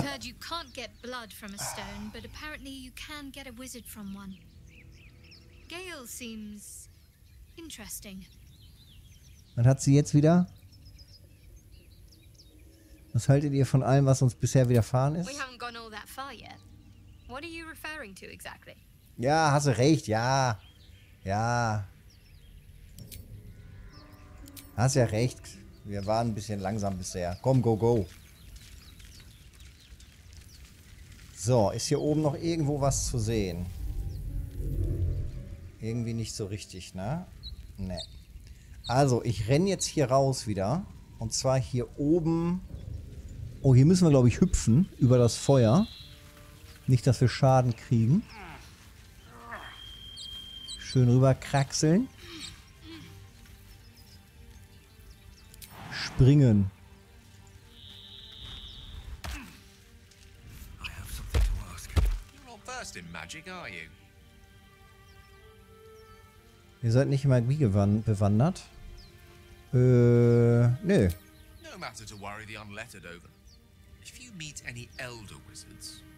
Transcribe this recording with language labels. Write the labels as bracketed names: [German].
[English] I've heard you can't get blood from a stone, but apparently you can get a wizard from one. Gale seems interesting. [German] Man hat sie jetzt wieder. Was haltet ihr von allem, was uns bisher widerfahren ist? [English] We haven't gone all that far yet. What are you referring to exactly? [German] Ja, hast du recht, ja. Ja. Hast ja recht. Wir waren ein bisschen langsam bisher. Komm, go, go. So, ist hier oben noch irgendwo was zu sehen? Irgendwie nicht so richtig, ne? Ne. Also, ich renne jetzt hier raus wieder. Und zwar hier oben. Oh, hier müssen wir, glaube ich, hüpfen über das Feuer. Nicht, dass wir Schaden kriegen. Schön rüber kraxeln. Springen. [English] I have something to ask. You're not versed in magic, are you? [German] Ihr seid nicht mal wie bewandert. Nö. [English] No matter to worry the unlettered over. If you meet any elder wizards,